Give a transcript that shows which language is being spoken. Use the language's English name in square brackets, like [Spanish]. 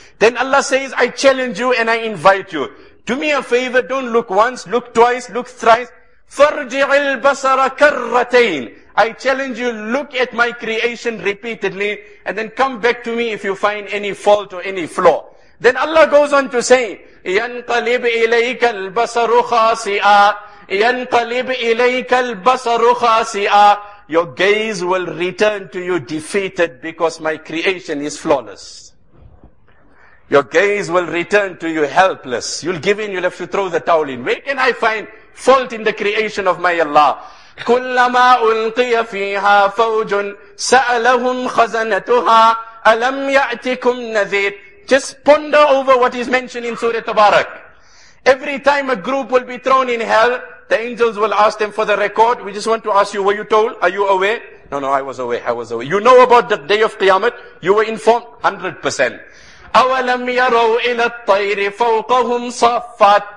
[English] Then Allah says, I challenge you and I invite you. Do me a favor, don't look once, look twice, look thrice. [Arabic] فَرْجِعِ الْبَصَرَ كَرَّتَيْنِ. [English] I challenge you, look at my creation repeatedly and then come back to me if you find any fault or any flaw. Then Allah goes on to say, [Arabic] ينقلب إليك البصر خاسئا ينقلب إليك البصر خاسئا. [English] Your gaze will return to you defeated because my creation is flawless. Your gaze will return to you helpless. You'll give in, you'll have to throw the towel in. Where can I find fault in the creation of my Allah? [Arabic] كلما ألقي فيها فوج سألهم خزنتها ألم يأتكم نذير. [English] Just ponder over what is mentioned in Surah Tabarak. Every time a group will be thrown in hell, the angels will ask them for the record. We just want to ask you, were you told? Are you aware? No, I was aware. You know about the day of Qiyamah? You were informed? 100%. [Arabic] أَوَلَمْ يَرَوْا إِلَى الطَّيْرِ فَوْقَهُمْ صَفَّاتِ.